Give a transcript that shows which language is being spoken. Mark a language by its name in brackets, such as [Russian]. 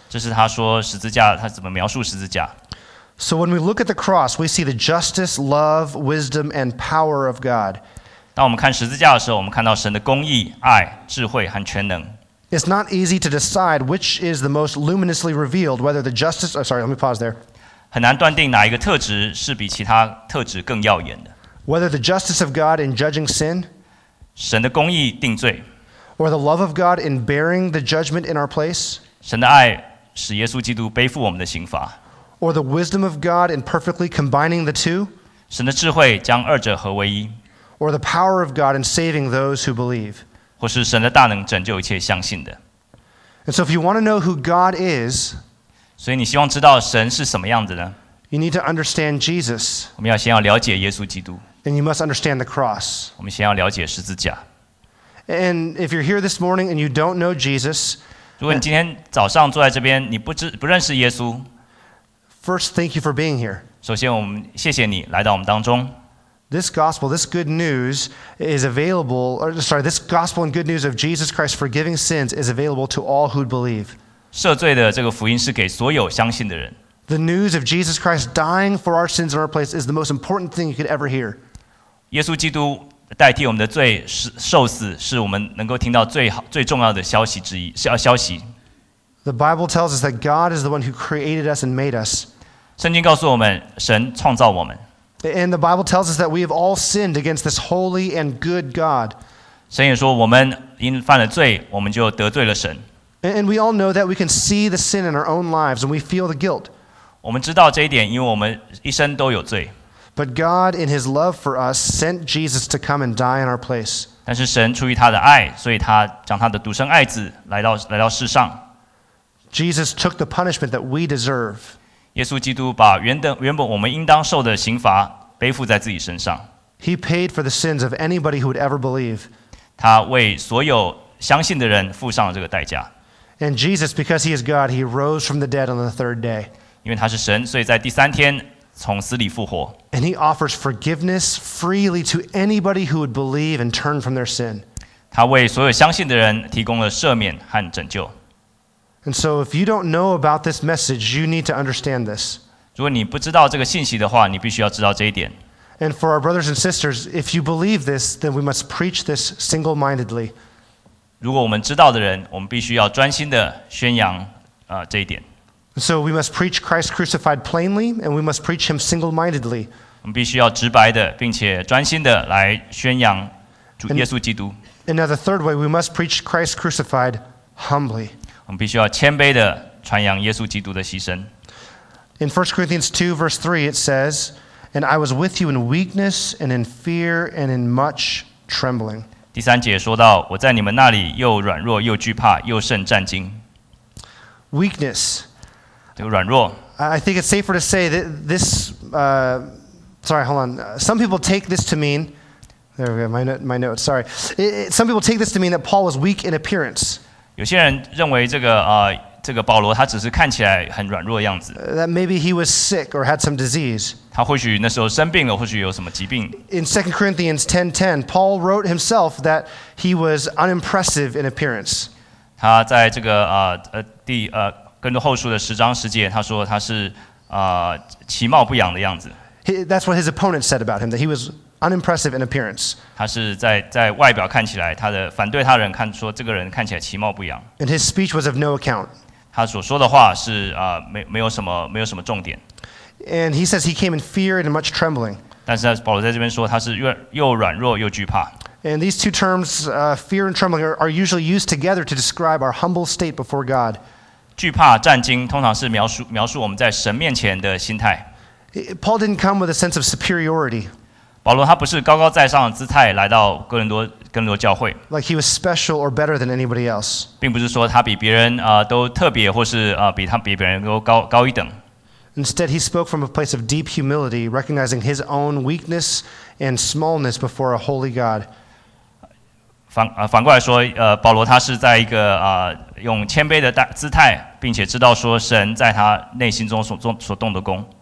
[Chinese] 这是他说十字架，他怎么描述十字架。 [English] So when we look at the cross, we see the justice, love, wisdom, and power of God. [Chinese] 当我们看十字架的时候，我们看到神的公义、爱、智慧和全能。 [English] It's not easy to decide which is the most luminously revealed, whether the justice. Oh, sorry, let me pause there. [Chinese] 很难断定哪一个特质是比其他特质更耀眼的。 [English] Whether the justice of God in judging sin, [Chinese] 神的公义定罪 [English] ，or the love of God in bearing the judgment in our place, [Chinese] 神的爱使耶稣基督背负我们的刑罚 [English] ，or the wisdom of God in perfectly combining the two, [Chinese] 神的智慧将二者合为一。 [English] Or the power of God in saving those who believe. [Chinese] 或是神的大能拯救一切相信的。 [English] And so, if you want to know who God is, [Chinese] 所以你希望知道神是什么样子呢？ [English] You need to understand Jesus. [Chinese] 我们要先要了解耶稣基督。 [English] And you must understand the cross. [Chinese] 我们先要了解十字架。 [English] And if you're here this morning and you don't know Jesus, [Chinese] 如果你今天早上坐在这边，你不认识耶稣。 [English] First, thank you for being here. [Chinese] 首先，我们谢谢你来到我们当中。 [English] This gospel, this good news is available, or sorry, this gospel and good news of Jesus Christ forgiving sins is available to all who believe. [Chinese] 赦罪的这个福音是给所有相信的人。 [English] The news of Jesus Christ dying for our sins in our place is the most important thing you could ever hear. [Chinese] 耶稣基督代替我们的罪受死是我们能够听到最重要的消息之一，消息。 [English] The Bible tells us that God is the one who created us and made us. [Chinese] 圣经告诉我们神创造我们。 [English] And the Bible tells us that we have all sinned against this holy and good God. [Chinese] 神也说我们因犯了罪，我们就得罪了神。 [English] And we all know that we can see the sin in our own lives and we feel the guilt. [Chinese] 我们知道这一点，因为我们一生都有罪。 [English] But God, in His love for us, sent Jesus to come and die in our place. [Chinese] 但是神出于他的爱，所以他将他的独生爱子来到世上。 [English] Jesus took the punishment that we deserve. [Chinese] 耶稣基督把原本我们应当受的刑罚背负在自己身上。 [English] He paid for the sins of anybody who would ever believe. [Chinese] 他为所有相信的人付上了这个代价。 [English] And Jesus, because he is God, he rose from the dead on the third day. [Chinese] 因为他是神，所以在第三天从死里复活。 [English] And he offers forgiveness freely to anybody who would believe and turn from their sin. [Chinese] 他为所有相信的人提供了赦免和拯救。 [English] And so, if you don't know about this message, you need to understand this. [Chinese] 如果你不知道这个信息的话，你必须要知道这一点。 [English] And for our brothers and sisters, if you believe this, then we must preach this single-mindedly. [Chinese] 如果我们知道的人，我们必须要专心的宣扬这一点。 [English] So we must preach Christ crucified plainly, and we must preach Him single-mindedly. [Chinese] 我们必须要直白的，并且专心的来宣扬主耶稣基督。 [English] And now the third way, we must preach Christ crucified humbly. [Chinese] 我们必须要谦卑地传扬耶稣基督的牺牲。 [English] In 1 Corinthians 2, verse 3, it says, And I was with you in weakness and in fear and in much trembling. [Chinese] 第三节说到，我在你们那里又软弱又惧怕又甚战惊。 [English] Weakness. [Chinese] 这个软弱。 [English] I think it's safer to say that this, sorry, hold on. Some people take this to mean, there we go, my notes, sorry. Some people take this to mean that Paul was weak in appearance. [Chinese] 有些人认为这个这个保罗他只是看起来很软弱的样子。 [English] That maybe he was sick or had some disease. [Chinese] 他或许那时候生病了，或许有什么疾病。 [English] In 2 Corinthians 10:10, Paul wrote himself that he was unimpressive in appearance. [Chinese] 他在这个跟着后书的十章十节，他说他是其貌不扬的样子。 [English] That's what his opponent said about him, that he was unimpressive in appearance. [Chinese] 他是在外表看起来，他的反对他人看说这个人看起来其貌不扬。 [English] And his speech was of no account. [Chinese] 他所说的话是没有什么重点。 [English] And he says he came in fear and much trembling. [Chinese] 但是保罗在这边说他是又软弱又惧怕。 [English] And these two terms, fear and trembling, are usually used together to describe our humble state before God. [Chinese] 惧怕、战惊，通常是描述我们在神面前的心态。 [English] Paul didn't come with a sense of superiority. [Chinese] 保罗他不是高高在上的姿态来到哥林多教会。 [English] Like he was special or better than anybody else. [Chinese] 并不是说他比别人都特别，或是比别人都高一等。 [English] Instead, he spoke from a place of deep humility, recognizing his own weakness and smallness before a holy God. [Chinese] 反过来说，保罗他是在一个用谦卑的姿态，并且知道说神在他内心中所动的工。